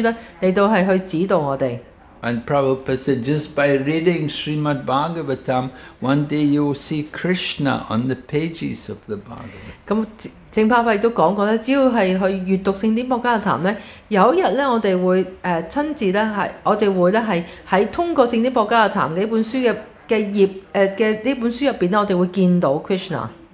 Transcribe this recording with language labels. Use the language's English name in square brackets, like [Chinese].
[Chinese] 但是我们有好像圣典博加塔这些书来到去指导我们。And [English] Prabhupada said, just by reading Srimad Bhagavatam, one day you will see Krishna on the pages of the Bhagavatam. [Chinese] 圣帕帕也说过, 只要去阅读圣典博加塔, 有一天我们会亲自, 我们会在通过圣典博加塔这本书的 这本书里面, 我们会见到Krishna。